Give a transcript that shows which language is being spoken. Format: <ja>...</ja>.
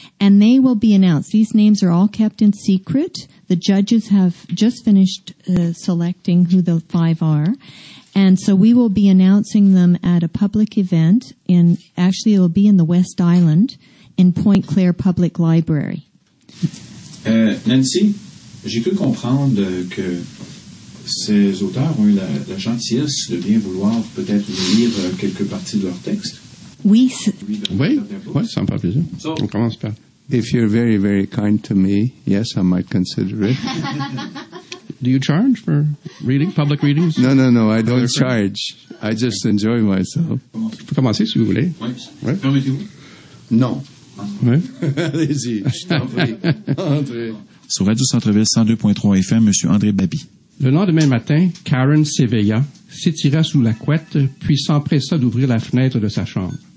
<en>And they will be announced. These names are all kept in secret. The judges have just finished selecting who the five are. And so we will be announcing them at a public event. Actually, it will be in the West Island in Point Claire Public Library.</en> <fr>Nancy, j'ai cru comprendre que ces auteurs ont eu la gentillesse de bien vouloir peut-être lire quelques parties de leur texte. Oui. Oui, ça me fait plaisir. On commence par.</fr> <en>If you're very, very kind to me, yes, I might consider it. Do you charge for reading, public readings? No, I don't charge. I just enjoy myself.</en> <fr>Vous pouvez commencer, si vous voulez. Oui. Permettez-vous? Non. Oui. Allez-y. Entrez. Sur Radio Centre-Ville 102.3 FM, M. André Babi. Le lendemain matin, Karen s'éveilla, s'étira sous la couette, puis s'empressa d'ouvrir la fenêtre de sa chambre.</fr>